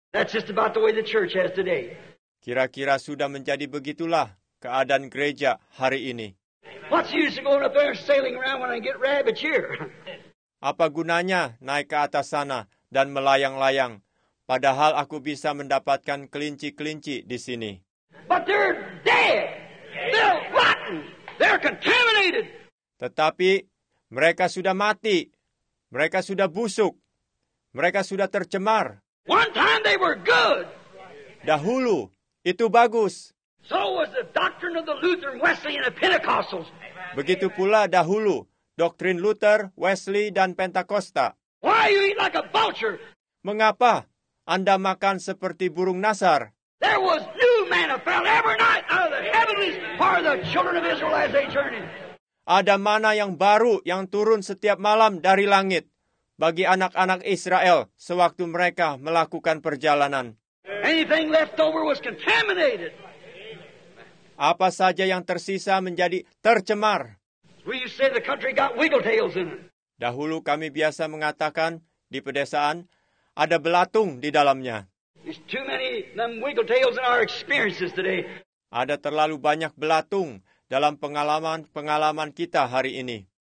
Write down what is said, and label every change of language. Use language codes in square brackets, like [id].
[en] That's just about the way the church has today. [id] Kira-kira sudah menjadi begitulah keadaan gereja hari ini. [en] What's the use of going up there sailing around when I get rabbit here? [id] Apa gunanya naik ke atas sana dan melayang-layang, padahal aku bisa mendapatkan kelinci-kelinci di sini. [en] But they're dead. They're rotten. They're contaminated. [id] Tetapi mereka sudah mati. Mereka sudah busuk. Mereka sudah tercemar. [en] One time they were good. [id] Dahulu, itu bagus. [en] So was the doctrine of the Lutheran, Wesley, and the Pentecostals. [id] Begitu pula dahulu, doktrin Luther, Wesley, dan Pentakosta. [en] Why you eat like a vulture? [id] Mengapa Anda makan seperti burung nazar? [en] There was new manna fell every night out of the heavens for the children of Israel as they journeyed. [id] Ada manna yang baru yang turun setiap malam dari langit bagi anak-anak Israel sewaktu mereka melakukan perjalanan. [en] Anything left over was contaminated. [id] Apa saja yang tersisa menjadi tercemar. [en] We used to say the country got wiggletails in it. [id] Dahulu kami biasa mengatakan di pedesaan ada belatung di dalamnya. [en] There's too many them wiggletails in our experiences today. [id] Ada terlalu banyak belatung dalam pengalaman-pengalaman kita hari ini.